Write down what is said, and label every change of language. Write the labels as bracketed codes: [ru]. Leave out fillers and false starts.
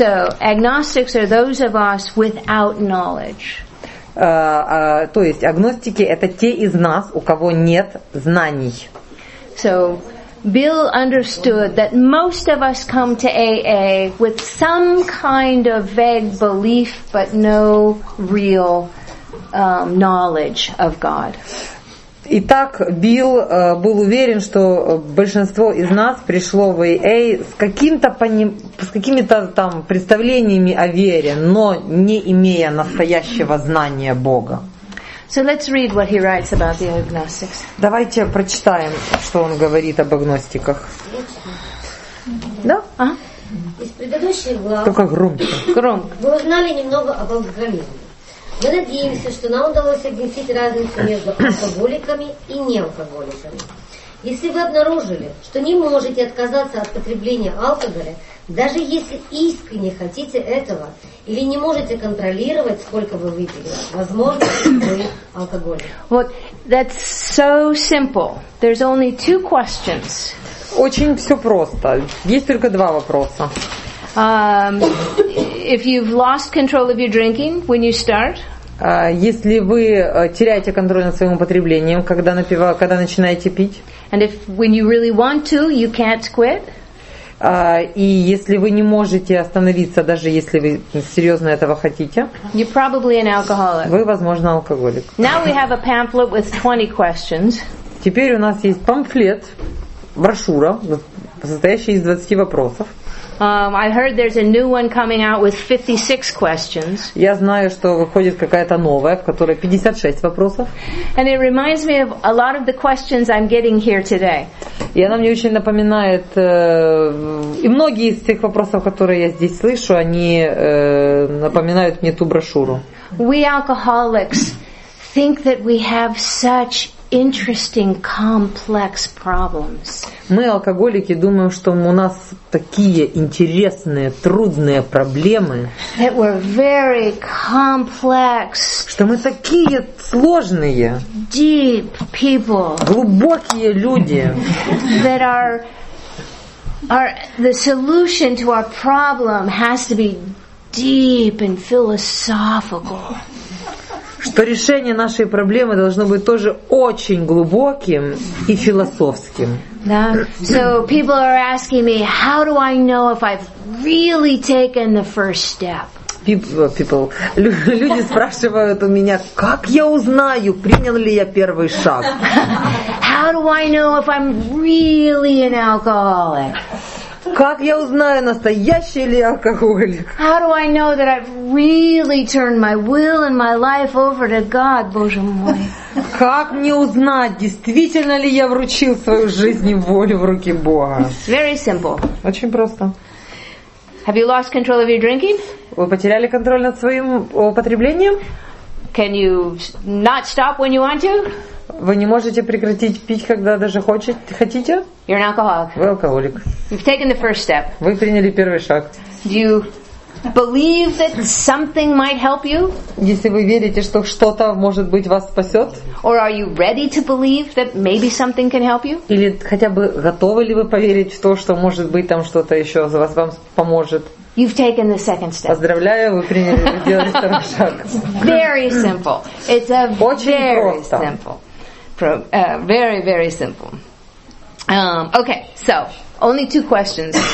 [en] So agnostics are those of us without knowledge. [ru] То есть агностики это те из нас, у кого нет знаний. [en] So Bill understood that most of us come to AA with some kind of vague belief, but no real knowledge of God. [ru] Итак, Билл был уверен, что большинство из нас пришло в AA с какими-то там представлениями о вере, но не имея настоящего знания Бога. [en] So let's read what he writes about the agnostics. [ru] Давайте прочитаем, что он говорит об агностиках. Да? Из предыдущих глав. Только громко. Громко. Вы узнали немного об алкоголизме. Мы надеемся, что нам удалось объяснить разницу между алкоголиками и неалкоголиками. Если вы обнаружили, что не можете отказаться от потребления алкоголя, даже если искренне хотите этого, или не можете контролировать, сколько вы выпили, возможно, вы алкоголик. [en] Вот, that's so simple. There's only two questions. [ru] Очень все просто. Есть только два вопроса. [en] If you've lost control of your drinking when you start, [ru] если вы теряете контроль над своим употреблением, когда начинаете пить, [en] and if when you really want to, you can't quit, [ru] и если вы не можете остановиться, даже если вы серьезно этого хотите, [en] you're probably an alcoholic. [ru] Вы, возможно, алкоголик. [en] Now we have a pamphlet with 20 questions. [ru] Теперь у нас есть памфлет, брошюра. состоящий из 20 вопросов. [en] I heard there's a new one coming out with 56 questions. [ru] Я знаю, что выходит какая-то новая, в которой 56 вопросов. [en] And it reminds me of a lot of the questions I'm getting here today. [ru] И она мне очень напоминает, и многие из тех вопросов, которые я здесь слышу, они напоминают мне ту брошюру. [en] We alcoholics think that we have such interesting, complex problems. [ru] Мы, алкоголики, думаем, что у нас такие интересные, трудные проблемы. [en] That we're very complex. [ru] Что мы такие сложные. [en] Deep people. [ru] Глубокие люди. [en] That are the solution to our problem has to be deep and philosophical. [ru] Что решение нашей проблемы должно быть тоже очень глубоким и философским. Да. [en] So people are asking me, how do I know if I've really taken the first step? [ru] People, люди спрашивают у меня, как я узнаю, принял ли я первый шаг? [en] How do I know if I'm really an alcoholic? [ru] Как я узнаю, настоящий ли алкоголик? [en] How do I know that I've really turned my will and my life over to God, [ru] Боже мой? Как мне узнать, действительно ли я вручил свою жизнь и волю в руки Бога? [en] Very simple. [ru] Очень просто. [en] Have you lost control of your drinking? [ru] Вы потеряли контроль над своим употреблением? [en] Can you not stop when you want to? [ru] Вы не можете прекратить пить, когда даже хотите? [en] You're an alcoholic. [ru] Вы алкоголик. [en] You've taken the first step. [ru] Вы приняли первый шаг. [en] Do you believe that something might help you? [ru] Если вы верите, что что-то, может быть, вас спасет? [en] Or are you ready to believe that maybe something can help you? [ru] Или хотя бы готовы ли вы поверить в то, что, может быть, там что-то еще за вас вам поможет? [en] You've taken the second step. [ru] Поздравляю, вы приняли первый шаг. [en] Very simple. It's a [ru] очень [en] very [ru] просто. [en] Simple. Very, very simple. Okay, so only two questions.